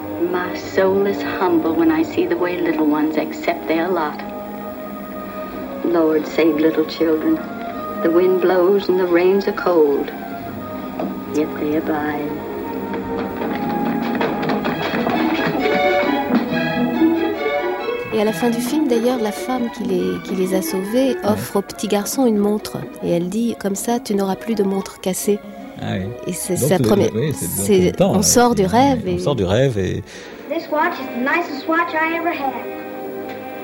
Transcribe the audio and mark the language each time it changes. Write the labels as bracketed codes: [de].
[en] My soul is humble when I see the way little ones accept their lot. Lord, save little children. The wind blows and the rains are cold, yet they abide. [fr] Et à la fin du film, d'ailleurs, la femme qui les a sauvés offre au petit garçon une montre. Et elle dit, comme ça, tu n'auras plus de montre cassée. Ah oui. Et c'est sa première... On sort du rêve et... On sort du rêve et... [en] This watch is the nicest watch I ever had.